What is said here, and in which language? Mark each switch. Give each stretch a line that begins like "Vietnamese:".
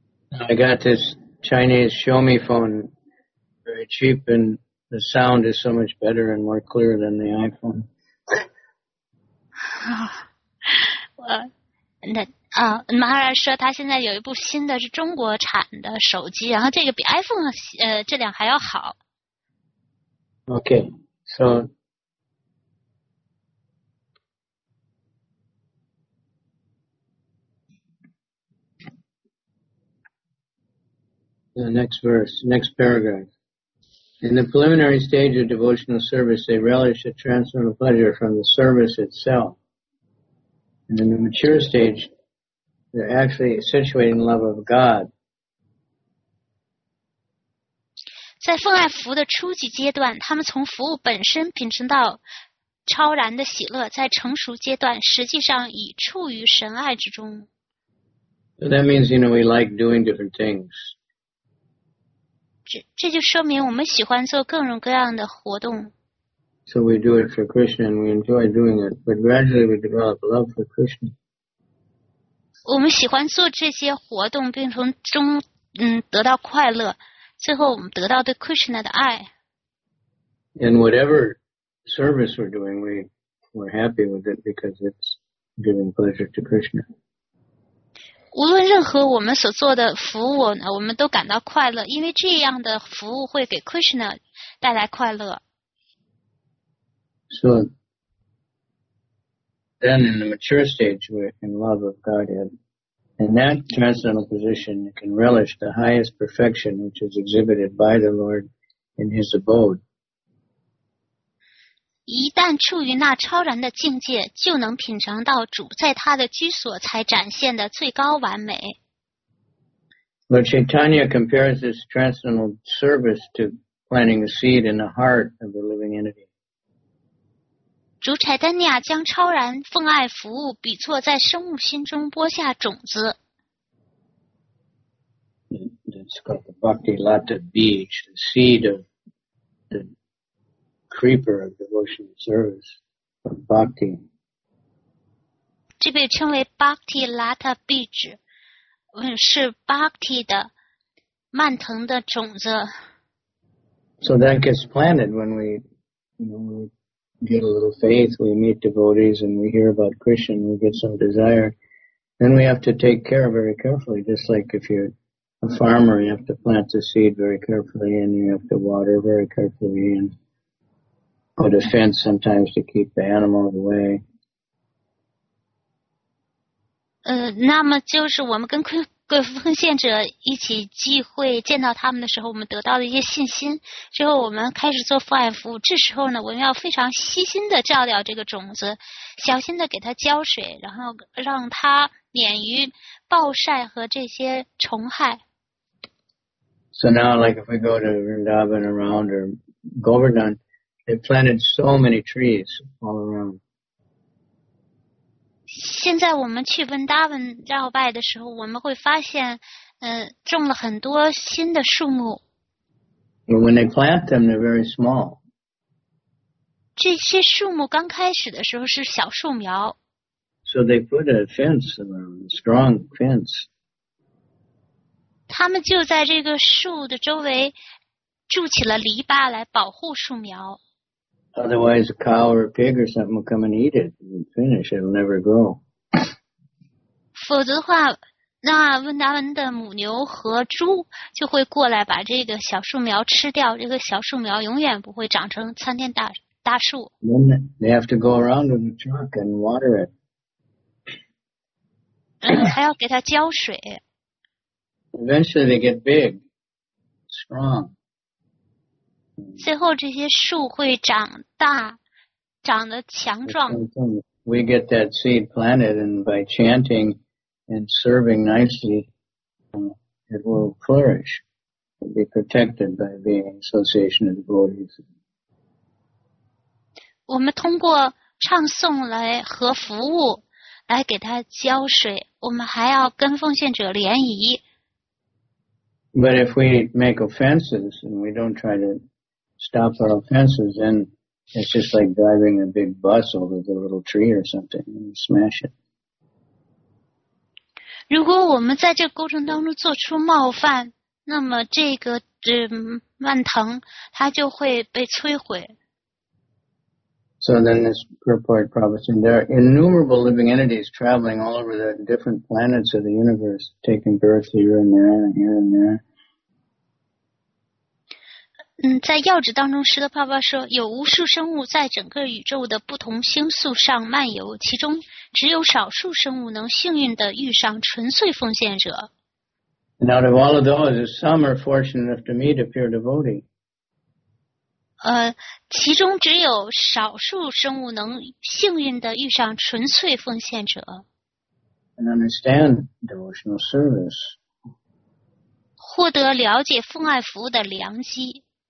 English: I got this Chinese Xiaomi phone, very cheap, and the sound is so much better and more clear than the iPhone.
Chinese: 马尔说他现在有一部新的是中国产的手机，然后这个比 iPhone 质量还要好。
English: Okay, so. The next verse, next paragraph. In the preliminary stage of devotional service, they relish the transcendental pleasure from the service itself. And in the mature stage, they're actually accentuating the love of God.
Chinese: 在奉爱服务的初级阶段，他们从服务本身品尝到超然的喜乐，在成熟阶段，实际上已处于神爱之中。
English: So that means, we like doing different things.
Chinese: 这就说明我们喜欢做各种各样的活动。
English: So we do it for Krishna and we enjoy doing it, but gradually we develop love for Krishna.
Chinese: 我们喜欢做这些活动，并从中得到快乐，最后我们得到对 Krishna 的爱。
English: And whatever service we're doing, we're happy with it because it's giving pleasure to Krishna.
Chinese: 无论任何我们所做的服务呢，我们都感到快乐，因为这样的服务会给 Krishna 带来快乐。
English: So, then in the mature stage, we're in love of Godhead. In that transcendental position, you can relish the highest perfection which is exhibited by the Lord in His abode.
Chinese: 一旦处于那超然的境界，就能品尝到主在他的居所才展现的最高完美。
English: Lord Chaitanya compares this transcendental service to planting a seed in the heart of the living entity.
Chinese: 主柴丹尼亚将超然奉爱服务比作在生物心中播下种子。
English: It's called the Bhakti Lata Beej, the seed of the creeper of devotional service, of Bhakti.
Chinese: 这被称为 Bhakti Lata Beej, 是 Bhakti 的蔓藤的种子。
English: So that gets planted when we, you know, we get a little faith, we meet devotees and we hear about Krishna, we get some desire. Then we have to take care very carefully, just like if you're a farmer, you have to plant the seed very carefully and you have to water very carefully and put a fence sometimes to keep the animals away.
Chinese: 那么就是我们跟奉献者一起聚会见到他们的时候，我们得到了一些信心，之后我们开始做父爱服务，这时候呢，我们要非常细心的照料这个种子，小心的给它浇水，然后让它免于暴晒和这些虫害。
English: So now, like if we go to Vrindavan around or Govardhan, they planted so many trees all around.
Chinese: 现在我们去 Vrindavan 绕拜的时候，我们会发现，种了很多新的树木。
English: But when they plant them, they're very small.
Chinese: 这些树木刚开始的时候是小树苗。
English: So they put a fence around, a strong fence.
Chinese: 他们就在这个树的周围筑起了篱笆来保护树苗。
English: Otherwise, a cow or a pig or something will come and eat it and finish. It'll never grow.
Chinese: 否则的话，那温达文的母牛和猪就会过来把这个小树苗吃掉。这个小树苗永远不会长成参天大树。
English: Then they have to go around in the truck and water it.
Chinese: 还要给它浇水。
English: Eventually, they get big, strong.
Chinese: 最后，这些树会长大，长得强壮。
English: We get that seed planted, and by chanting and serving nicely, it will flourish. It'll be protected by being association of devotees.
Chinese: 我们通过唱诵来和服务来给它浇水，我们还要跟奉献者联谊。
English: But if we make offenses and we don't try to stop our offenses, then it's just like driving a big bus over the little tree or something and smash it.
Chinese: 如果我们在这个过程当中做出冒犯，那么这个蔓藤它就会被摧毁。
English: So then this purport prophecy, there are innumerable living entities traveling all over the different planets of the universe, taking birth here and there and here and there.
Chinese: 在要旨当中，释迦牟尼佛说，有无数生物在整个宇宙的不同星宿上漫游，其中只有少数生物能幸运地遇上纯粹奉献者。
English: And out of all of those, some are fortunate enough to meet a pure devotee.
Chinese: 其中只有少数生物能幸运地遇上纯粹奉献者。
English: And understand devotional service.
Chinese: 获得了解奉爱服务的良机。